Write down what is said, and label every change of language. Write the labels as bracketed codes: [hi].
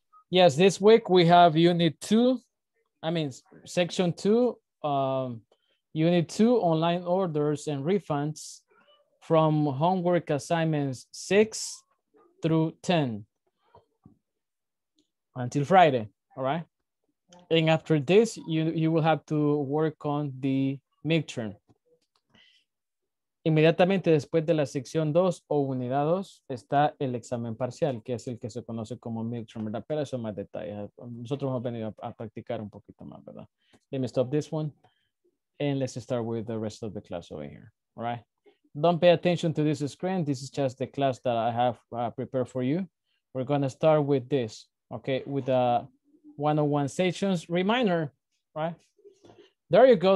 [en] Yes, this week we have unit 2, I mean section 2, unit 2, online orders and refunds, from homework assignments 6 through 10 until Friday. All right, and after this you will have to work on the midterm. [es] Inmediatamente después de la sección 2 o unidad 2 está el examen parcial, que es el que se conoce como midterm, ¿verdad? Pero eso es más detalle. Nosotros hemos venido a practicar un poquito más, ¿verdad? [en] Let me stop this one and let's start with the rest of the class over here. All right. Don't pay attention to this screen. This is just the class that I have prepared for you. We're going to start with this, okay, with the 101 sessions reminder, right? There you go.